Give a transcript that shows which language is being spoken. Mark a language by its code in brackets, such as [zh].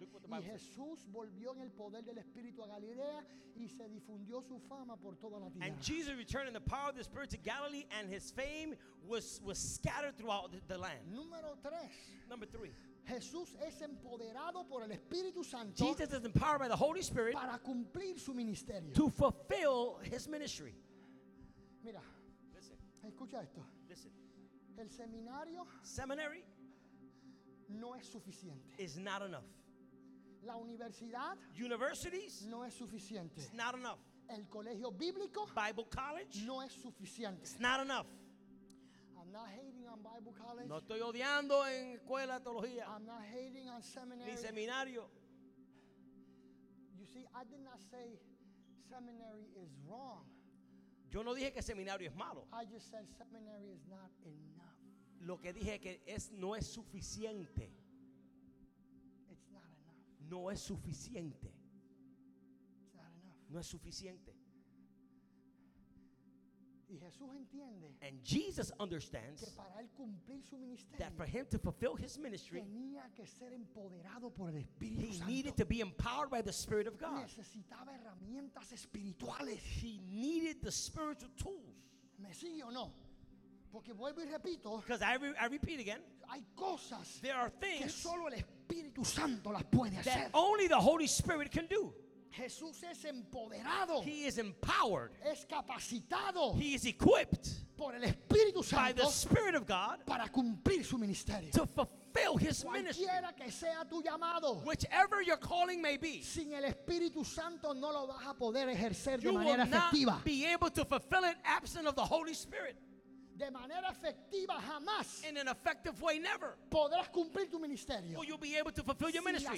[es] Y Jesús volvió en el poder del Espíritu a Galilea y se difundió su fama por toda la tierra. [en] And Jesus returned in the power of the Spirit to Galilee, and his fame was scattered throughout the land. [es] Número 3. [en] Number 3. [es] Jesús es empoderado por el Espíritu Santo. [en] Jesus is empowered by the Holy Spirit [es] para cumplir su ministerio. [en] To fulfill his ministry. [es] Mira, [en] listen. [es] Escucha esto. [en] Listen. [es] El seminario, [en] seminary, [es] no es suficiente. [en] Is not enough. [es] La universidad, [en] universities, [es] no es suficiente. [en] It's not enough. [es] El colegio bíblico, [en] Bible college, [es] no es suficiente. [en] It's not enough. I'm not hating on Bible college. [es] No estoy odiando en escuela de teología. [en] I'm not hating on seminary. [es] Ni seminario. [en] You see, I did not say seminary is wrong. [es] Yo no dije que seminario es malo. [en] I just said seminary is not enough. [es] Lo que dije que es no es suficiente. [en] It's not enough. [es] No es suficiente. [en] It's not enough. [es] No es suficiente. Y Jesús entiende. [en] And Jesus understands [es] que para él cumplir su ministerio, [en] that for him to fulfill his ministry, [es] tenía que ser empoderado por el Espíritu [en] he [es] Santo. [en] Needed to be empowered by the Spirit of God. [es] Necesitaba herramientas espirituales. [en] He needed the spiritual tools. [es] ¿Me sigue o no? Porque vuelvo y repito. [en] Because I repeat again. [es] Hay cosas [en] there are things [es] que solo el Espíritu Santo las puede [en] that [es] hacer. [en] Only the Holy Spirit can do. [es] Jesús es empoderado. [en] He is empowered. [es] Es capacitado. [en] He is equipped. [es] Por el Espíritu Santo. [en] By the Spirit of God. [es] Para cumplir su ministerio. [en] To fulfill his ministry. [es] Cualquiera que sea tu llamado. [en] Whichever your calling may be. [es] Sin el Espíritu Santo no lo vas a poder ejercer [en] you [es] de manera efectiva. [en] You will not be able to fulfill it absent of the Holy Spirit. [es] De manera efectiva jamás. [en] In an effective way, never. [es] Podrás cumplir tu ministerio. [en] Will you be able to fulfill your ministry?